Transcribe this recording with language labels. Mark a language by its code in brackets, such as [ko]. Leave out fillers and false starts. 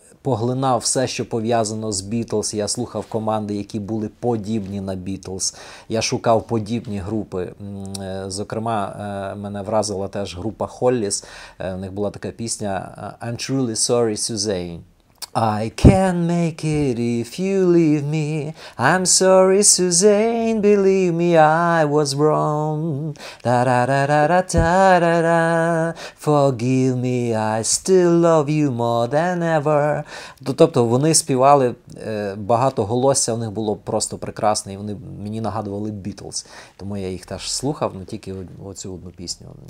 [uk] поглинав все, що пов'язано з Beatles. Я слухав команди, які були подібні на Beatles. Я шукав подібні групи. Зокрема, мене вразила теж група Hollies. У них була така пісня [en] «I'm truly sorry, Suzanne». I can't make it if you leave me. I'm sorry, Suzanne, believe me, I was wrong. Da-da-da-da-da-da-da-da. Forgive me, I still love you more than ever. [uk] Тобто вони співали багато голосся, у них було просто прекрасне, і вони мені нагадували Beatles. Тому я їх теж слухав, ну тільки оцю одну пісню.